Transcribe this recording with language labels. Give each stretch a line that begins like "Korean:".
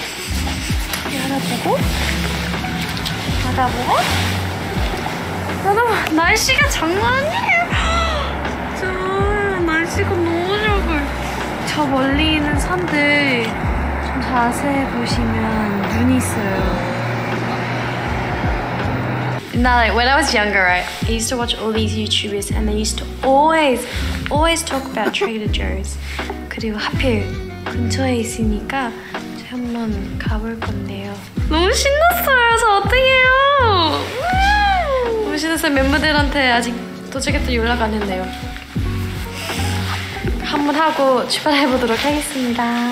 Korean: 열어보고, 받아보고. 여러분, 날씨가 장난 아니에요. 진짜, 날씨가 너무 좋아요. 저 멀리 있는 산들 좀 자세히 보시면 눈이 있어요.
English: Now, like, when I was younger, right, I used to watch all these YouTubers and they used to always, always talk about Trader Joe's.
Korean: 그리고 하필 근처에 있으니까 제가 한번 가볼 건데요. 너무 신났어요. 저 어떡해요. 너무 신났어요. 멤버들한테 아직 도착했다 연락 안 했네요. 한번 하고 출발해 보도록 하겠습니다.